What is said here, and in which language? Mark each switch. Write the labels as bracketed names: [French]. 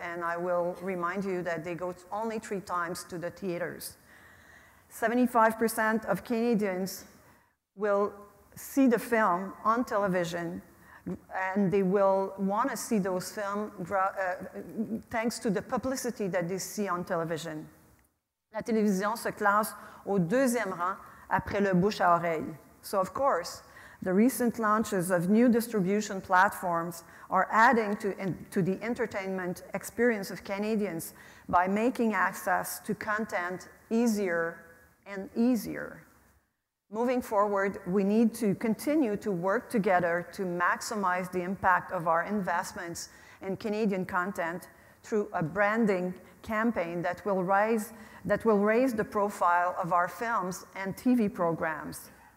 [English] And I will remind you that they go only three times to the theaters. 75% of Canadians will see the film on television, and they will want to see those films thanks to the publicity that they see on television. [French] La télévision se classe au deuxième rang après le bouche à oreille. [English] So of course, the recent launches of new distribution platforms are adding to the entertainment experience of Canadians by making access to content easier and easier. Moving forward, we need to continue to work together to maximize the impact of our investments in Canadian content through a branding campaign that will raise the profile of our films and TV programs.